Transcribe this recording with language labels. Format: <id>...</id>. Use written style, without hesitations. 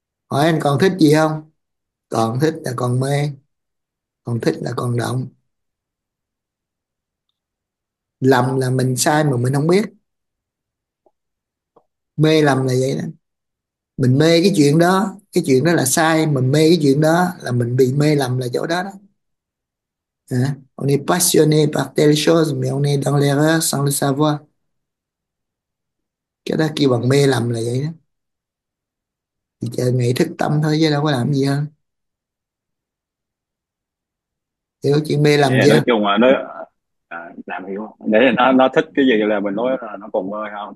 <vi>Hỏi anh còn thích gì không? Còn thích là còn mê, còn thích là còn động. Lầm là mình sai mà mình không biết, mê lầm là vậy đó. Mình mê cái chuyện đó, cái chuyện đó là sai, mình mê cái chuyện đó là mình bị mê lầm là chỗ đó đó. Hả?</vi> <fr>On est passionné par telle chose, mais on est dans l'erreur sans le savoir.</fr> <vi>Cái đó kêu bằng mê lầm là vậy đó. Thì chờ ngày thức tâm thôi chứ đâu có làm gì hơn. Hiểu chuyện mê Thế lầm nói chưa? chung là nó làm hiểu không? Để nó thích cái gì là mình nói là nó còn mơ không?</vi>